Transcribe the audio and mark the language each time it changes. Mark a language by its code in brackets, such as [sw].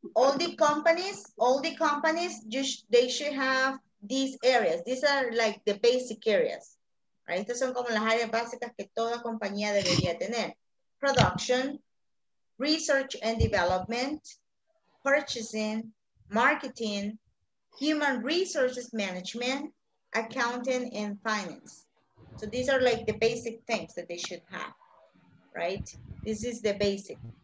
[en] All the companies, they should have these areas. These are like the basic areas. Right? [es] Estas son como las áreas básicas que toda compañía debería tener. [en] Production, research and development, purchasing, marketing, human resources management, accounting and finance. So these are like the basic things that they should have, right? This is the basic.